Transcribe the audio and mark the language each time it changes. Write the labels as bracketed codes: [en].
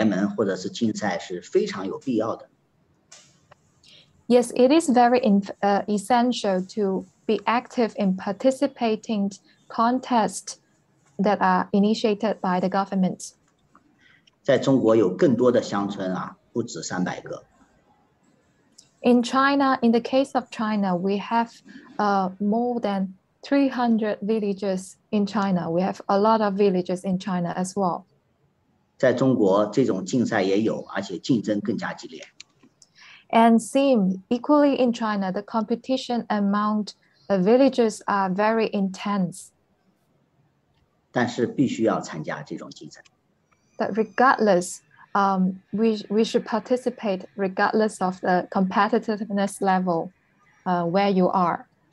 [zh] 参加政府举办的这种联盟或者是竞赛是非常有必要的。 [en] Yes, it is very essential to be active in participating contest that are initiated by the government. [zh] 在中国有更多的乡村啊， 不止300个。 [en] In China, in the case of China, we have more than 300 villages in China. We have a lot of villages in China as well. [zh] 在中国这种竞赛也有， 而且竞争更加激烈。 [en] And same, equally in China, the competition among the villages are very intense. [zh] 但是必须要参加这种竞赛。 [en] But regardless, we should participate regardless of the competitiveness level where you are.